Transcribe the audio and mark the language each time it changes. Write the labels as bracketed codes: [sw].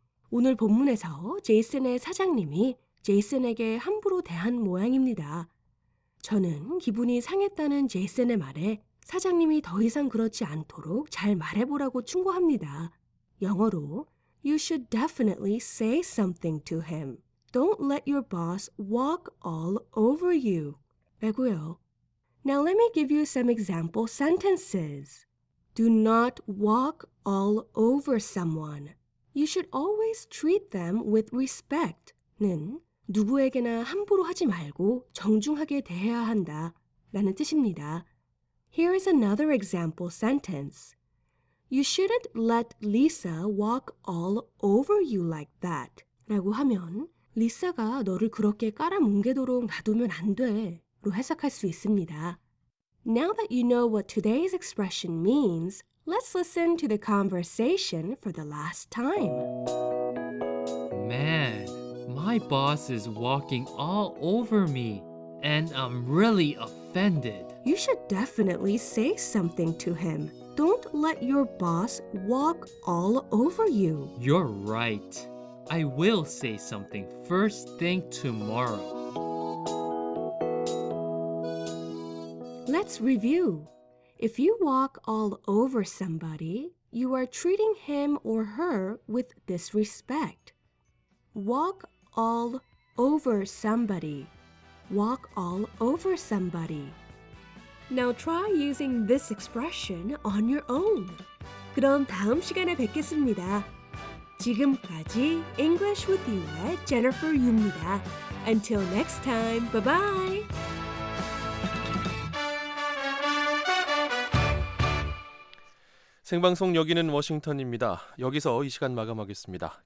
[ko] 오늘 본문에서 제이슨의 사장님이 제이슨에게 함부로 대한 모양입니다. 저는 기분이 상했다는 제이슨의 말에 사장님이 더 이상 그렇지 않도록 잘 말해보라고 충고합니다. 영어로 [en] You should definitely say something to him. Don't let your boss walk all over you. [ko] 라고요. [en] Now let me give you some example sentences. Do not walk all over someone. You should always treat them with respect. [ko] 는 누구에게나 함부로 하지 말고 정중하게 대해야 한다 라는 뜻입니다. [en] Here is another example sentence. You shouldn't let Lisa walk all over you like that. [ko] 라고 하면 리사가 너를 그렇게 깔아뭉개도록 놔두면 안 돼 로 해석할 수 있습니다. [en] Now that you know what today's expression means, let's listen to the conversation for the last time. Man, my boss is walking all over me, and I'm really offended. You should definitely say something to him. Don't let your boss walk all over you. You're right. I will say something first thing tomorrow. Let's review. If you walk all over somebody, you are treating him or her with disrespect. Walk all over somebody. Walk all over somebody. Now try using this expression on your own. [ko] 그럼 다음 시간에 뵙겠습니다. 지금까지 English with You의 Jennifer Yu입니다. [en] Until next time, bye-bye! [ko] 생방송 여기는 워싱턴입니다. 여기서 이 시간 마감하겠습니다.